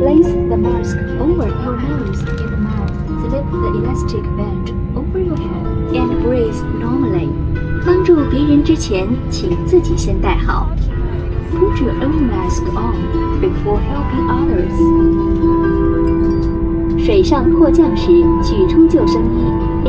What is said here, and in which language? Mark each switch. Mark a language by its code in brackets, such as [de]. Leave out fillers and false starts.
[en] Place the mask over your nose in the mouth. Slip the elastic band over your head and breathe normally. [zh] 帮助别人之前，请自己先戴好. [en] Put your own mask on before helping others. [zh] 水上迫降时，取出救生衣.